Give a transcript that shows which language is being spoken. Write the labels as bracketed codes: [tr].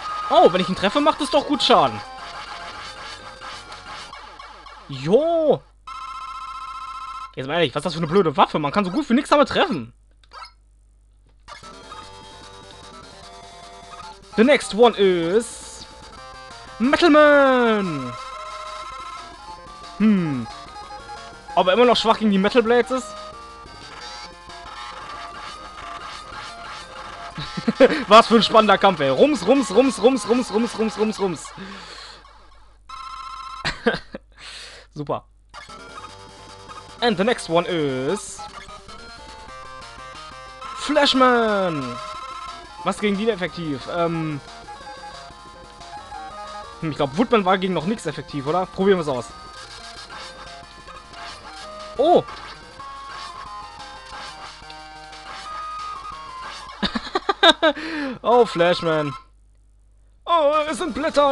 [de] Oh, wenn ich ihn treffe, macht es doch gut Schaden. Jo! Jetzt mal ehrlich, was ist das für eine blöde Waffe? Man kann so gut wie nichts damit treffen. [en] The next one is Metalman! [de] Ob er immer noch schwach gegen die Metal Blades ist? Was für ein spannender Kampf, ey. Rums, rums, rums, rums, rums, rums, rums, rums, rums. [en] Super. And the next one is Flashman! [de] Was gegen die effektiv? Ich glaube, Woodman war gegen noch nichts effektiv, oder? Probieren wir es aus. Oh! Oh, Flashman. Oh, es sind Blätter.